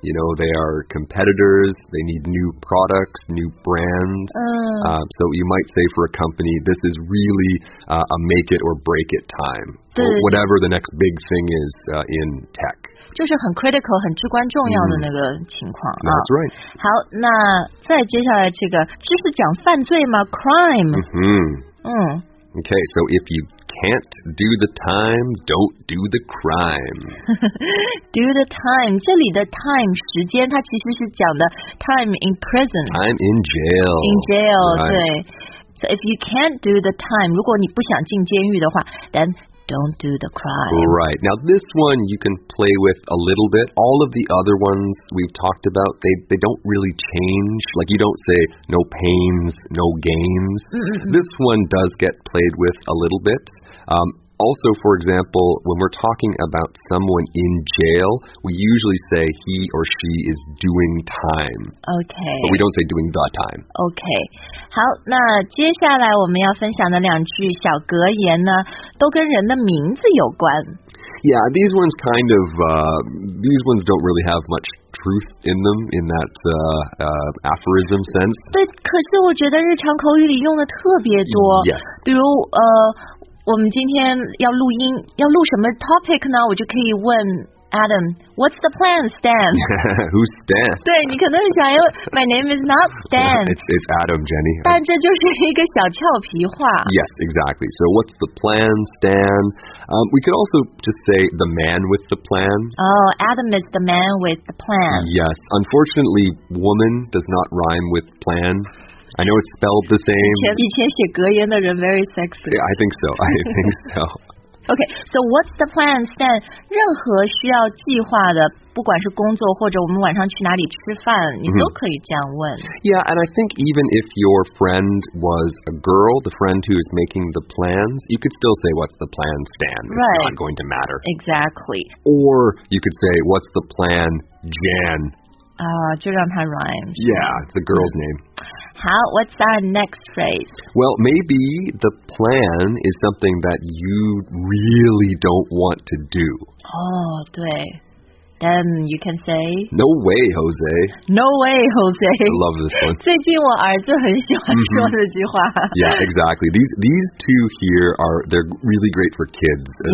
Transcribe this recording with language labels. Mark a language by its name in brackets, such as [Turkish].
[English] You know, they are competitors, they need new products, new brands. So you might say for a company, this is really a make it or break it time. Whatever the next big thing is in tech. [Chinese] 就是很 critical 很至关重要的那个情况、 [English] That's right. [Chinese] 好，那再接下来这个就是讲犯罪吗？ [English] Crime、 mm-hmm. Okay, so if you can't do the time, don't do the crime. Do the time, [Chinese] 这里的 time 时间它其实是讲的 [English] time in prison. Time in jail. In jail,、right. 对。So if you can't do the time, [Chinese] 如果你不想进监狱的话 [English] thenDon't do the crime. Right. Now, this one you can play with a little bit. All of the other ones we've talked about, they don't really change. Like, you don't say, no pains, no gains. This one does get played with a little bit. Also, for example, when we're talking about someone in jail, we usually say he or she is doing time. Okay. But we don't say doing the time. Okay. [Chinese] 好，那接下来我们要分享的两句小格言呢，都跟人的名字有关。 [English] Yeah, these ones kind of, these ones don't really have much truth in them, in that aphorism sense. [Chinese] 对，可是我觉得日常口语里用的特别多。 [English] Yes. [Chinese] 比如，我们今天要录音，要录什么 topic 呢？我就可以问 Adam, [English] What's the plan, Stan? Who's Stan? [Chinese] 对，你可能想要 [English] My name is not Stan. It's Adam, Jenny. [Chinese] 但这就是一个小俏皮话。 [English] Yes, exactly. So what's the plan, Stan? We could also just say the man with the plan. Oh, Adam is the man with the plan. Yes. Unfortunately, woman does not rhyme with plan. I know it's spelled the same. [Chinese] 以前写格言的人 [English] very sexy. Yeah, I think so. Okay, so what's the plan, Stan? [Chinese] 任何需要计划的，不管是工作或者我们晚上去哪里吃饭，你都可以这样问。 [English] Yeah, and I think even if your friend was a girl, the friend who is making the plans, you could still say, what's the plan, Stan? Right. It's not going to matter. Exactly. Or you could say, what's the plan, Jan? Just 让它 rhyme. Yeah, it's a girl's name. How, what's our next phrase? Well, maybe the plan is something that you really don't want to do. Oh, 对.Then you can say... No way, Jose. No way, Jose. I love this one. [Chinese] 最近我儿子很喜欢说这句话。 [English] Yeah, exactly. These two here are, they're really great for kids as